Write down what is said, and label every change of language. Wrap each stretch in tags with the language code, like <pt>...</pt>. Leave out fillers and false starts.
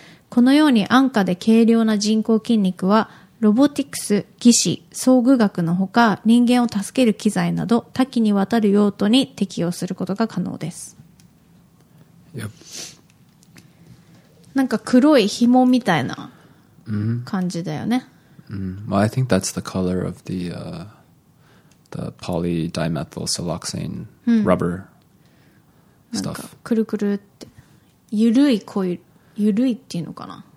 <ja>このように安価で軽量な人工筋肉は、ロボティクス、技師、装具学のほか、人間を助ける機材など、多岐にわたる用途に適用することが可能です。 Yep. なんか黒い紐みたいな。感じだよね。</ja> <en>Well, I think that's the color of the polydimethyl siloxane rubber stuff.</en> <ja>なんかくるくるって緩いコイル、緩いっていうのかな。</ja>